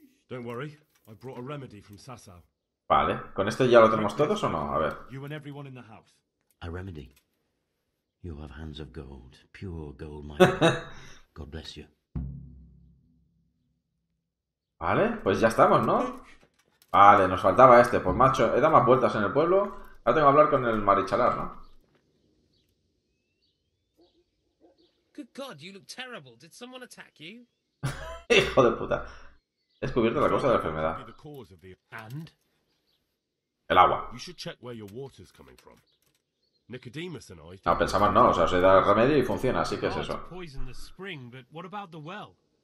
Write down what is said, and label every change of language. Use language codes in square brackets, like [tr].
[en] Don't worry, I brought a remedy from Sasau. [es] Vale, ¿con este ya lo tenemos todos o no? A ver. [en] You and everyone in the house. A remedy. You have hands of gold, pure gold, my God bless you. [es] Vale, pues ya estamos, ¿no? Vale, nos faltaba este. Pues macho, he dado más vueltas en el pueblo. Ahora tengo que hablar con el marichalar, ¿no? [en] Good God, you look terrible. Did someone attack you? [es] Hijo de puta. He descubierto la causa de la enfermedad. [en] And? [es] El agua. [en] You should check where your water's coming from. Nicodemus and I. [es] No, pensamos no, o sea, se da el remedio y funciona, así que es eso. [en] Poison the spring, but what about the well?